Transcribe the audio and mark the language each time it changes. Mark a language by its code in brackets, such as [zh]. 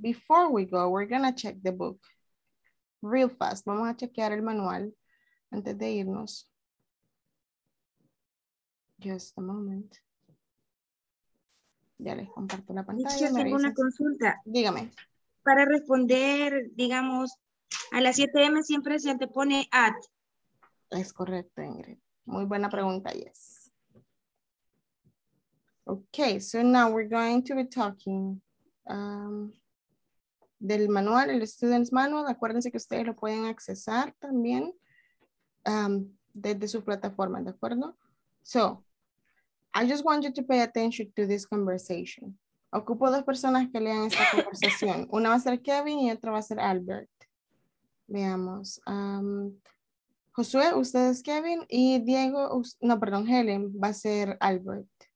[en] Before we go, we're going to check the book real fast. [es] Vamos a chequear el manual antes de irnos. [en] Just a moment. [es] Ya les comparto la pantalla. Yo tengo una consulta. Dígame. Para responder, digamos, a las 7 a.m. siempre se te pone at. Es correcto, Ingrid. Muy buena pregunta, yes. [en] Okay, so now we're going to be talking [es] del manual, el [en] student's manual. [es] Acuérdense que ustedes lo pueden accesar también desde su plataforma, ¿de acuerdo? [en] So, I just want you to pay attention to this conversation. [es] Ocupo dos personas que lean esta conversación. Una va a ser Kevin y otra va a ser Albert. Veamos. Josué, usted es Kevin y Diego, no, perdón, Helen va a ser Albert.